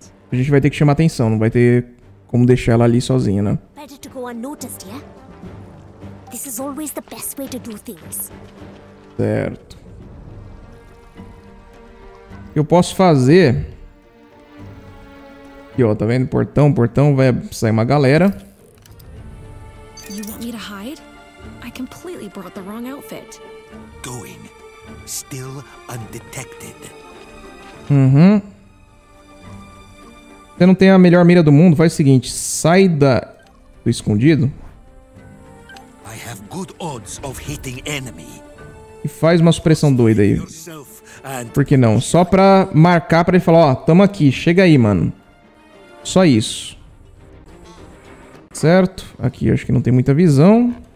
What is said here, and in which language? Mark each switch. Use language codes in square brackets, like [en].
[pt] A gente vai ter que chamar atenção. Não vai ter como deixar ela ali sozinha, né? Melhor não ficar [en] unnoticed, yeah? This is always the best way to do things. [pt] Certo. Eu posso fazer... aqui, ó, tá vendo? Portão, portão, vai sair uma galera. [en] You want me to hide? I completely brought the wrong outfit. Going. Still undetected. Uhum. [pt] Você não tem a melhor mira do mundo? Faz o seguinte, sai da... do escondido. [en] I have good odds of hitting enemy. [pt] E faz uma supressão doida aí. Por que não? Só pra marcar pra ele falar, ó, oh, tamo aqui, chega aí, mano. Só isso. Certo. Aqui acho que não tem muita visão.